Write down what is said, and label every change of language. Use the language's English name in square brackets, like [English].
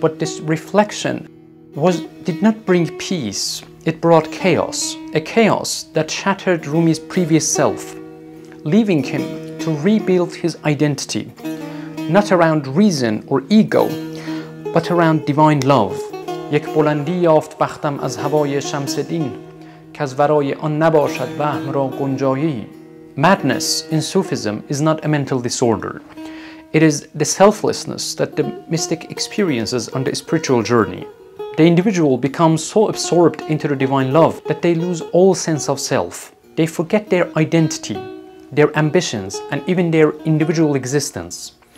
[English] But this reflection did not bring peace. It brought chaos, a chaos that shattered Rumi's previous self, leaving him to rebuild his identity, not around reason or ego, but around divine love. [Persian] یک بلندی یافت بختم از هوای شمس دین که از ورای آن نباشد وهم را گنجایی. [English] Madness in Sufism is not a mental disorder. It is the selflessness that the mystic experiences on the spiritual journey. The individual becomes so absorbed into the divine love that they lose all sense of self. They forget their identity, their ambitions, and even their individual existence.